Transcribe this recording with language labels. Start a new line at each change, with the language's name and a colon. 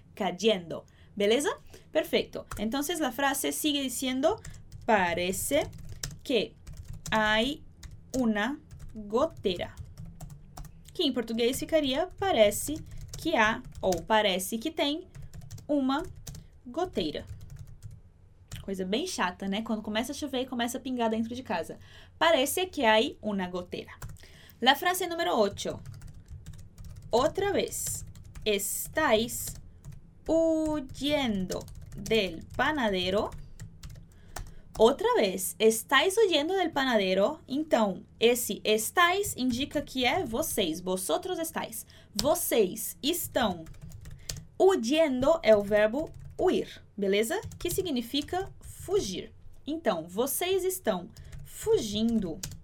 Portuguese: Cayendo. Beleza? Perfeito. Então, a frase sigue dizendo:
Spanish: parece que hay una gotera.
Portuguese: Que em português ficaria: parece que há ou parece que tem uma goteira. Coisa bem chata, né? Quando começa a chover e começa a pingar dentro de casa.
Spanish: Parece que hay una gotera. La frase número 8.
Portuguese: Outra vez.
Spanish: Estáis huyendo del panadero.
Portuguese: Outra vez,
Spanish: estáis huyendo del panadero.
Portuguese: Então, esse estáis indica que é vocês,
Spanish: vosotros estáis.
Portuguese: Vocês estão. Huyendo é o verbo huir, beleza? Que significa fugir. Então, vocês estão fugindo.